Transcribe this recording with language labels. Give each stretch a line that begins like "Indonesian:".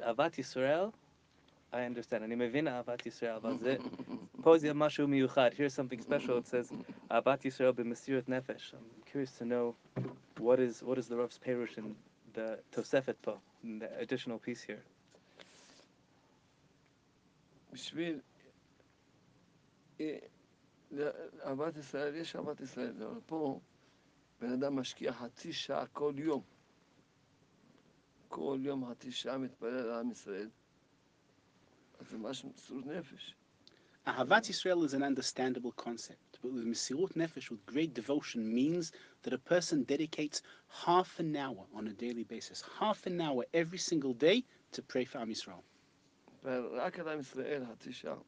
Hebrew: Avat Yisrael,
English: I understand.
Hebrew: Ani mevina Avat Yisrael, but zeh posi mashu miyuchad.
English: Here's something special. It says Avat Yisrael b'Mesirat Nefesh. I'm curious to know what is the Rav's perush in the Tosefet po, in the additional piece here.
Hebrew: בשביל אהבת ישראל, יש אהבת ישראל, אבל פה בן אדם משקיע חצי שעה כל יום. כל יום חצי שעה מתפלל לעם ישראל. אז זה משהו מסירות נפש.
English: Ahavat Yisrael is an understandable concept, but with Mesirut Nefesh, with great devotion, means that a person dedicates half an hour on a daily basis, half an hour every single day to pray for Am Yisrael.